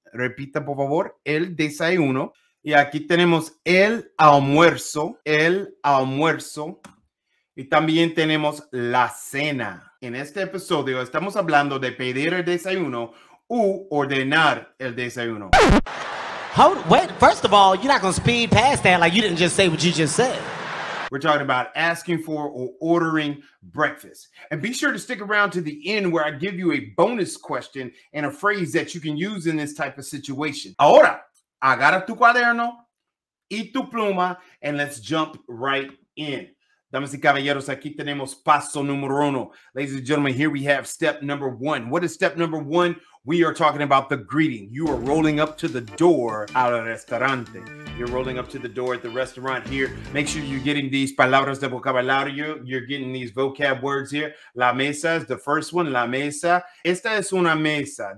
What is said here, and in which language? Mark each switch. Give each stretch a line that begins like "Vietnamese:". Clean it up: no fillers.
Spanish: Repita, por favor, el desayuno. Y aquí tenemos el almuerzo. El almuerzo. Y también tenemos la cena. En este episodio estamos hablando de pedir el desayuno u ordenar el desayuno.
English: Hold, wait, first of all, you're not going to speed past that like you didn't just say what you just said. We're talking about asking for or ordering breakfast. And be sure to stick around to the end where I give you a bonus question and a phrase that you can use in this type of situation.
Spanish: Ahora, agarra tu cuaderno y tu pluma
English: and let's jump right in.
Spanish: Damas y caballeros, aquí tenemos paso número uno.
English: Ladies and gentlemen, here we have step number one. What is step number one? We are talking about the greeting. You are rolling up to the door
Spanish: al restaurante.
English: You're rolling up to the door at the restaurant here. Make sure you're getting these
Spanish: palabras de vocabulario.
English: You're getting these vocab words here.
Spanish: La mesa
English: is the first one.
Spanish: La mesa. Esta es una mesa.